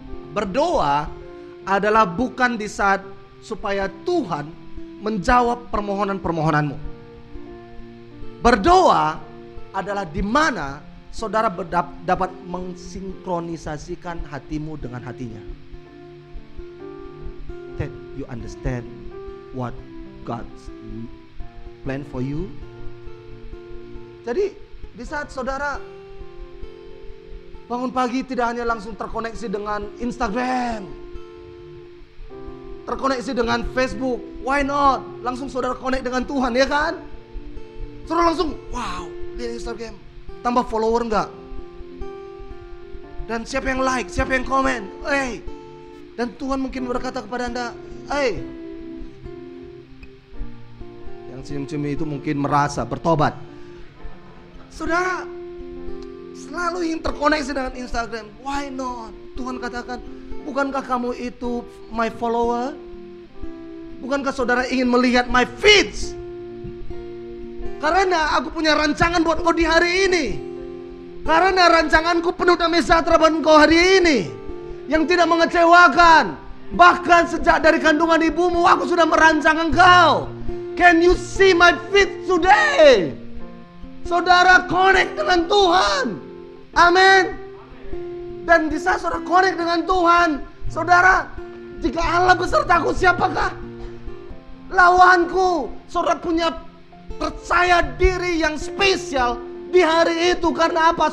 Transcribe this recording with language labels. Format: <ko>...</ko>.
<id>Berdoa adalah bukan di saat supaya Tuhan menjawab permohonan-permohonanmu. Berdoa adalah di mana saudara dapat mensinkronisasikan hatimu dengan hatinya.</id> <en>That you understand what God's plan for you.</en> <id>Jadi di saat saudara bangun pagi, tidak hanya langsung terkoneksi dengan Instagram, terkoneksi dengan Facebook,</id> <en>why not?</en> <id>Langsung saudara connect dengan Tuhan, ya kan? Saudara langsung, wow, lihat Instagram, tambah follower enggak? Dan siapa yang like, siapa yang komen? Hey. Dan Tuhan mungkin berkata kepada Anda, hey. Senyum-senyum itu mungkin merasa bertobat. Saudara selalu ingin terkoneksi dengan Instagram.</id> <en>Why not?</en> <id>Tuhan katakan, bukankah kamu itu</id> <en>my follower?</en> <id>Bukankah saudara ingin melihat</id> <en>my feeds?</en> <id>Karena aku punya rancangan buat kau di hari ini. Karena rancanganku penuh damai sejahtera buat kau hari ini. Yang tidak mengecewakan. Bahkan sejak dari kandungan ibumu, aku sudah merancang engkau.</id> <en>Can you see my feet today?</en> <id>Saudara connect dengan Tuhan. Amin. Dan di saat saudara connect dengan Tuhan, saudara, jika Allah besertaku, siapakah lawanku? Saudara punya percaya diri yang spesial di hari itu. Karena apa?</id>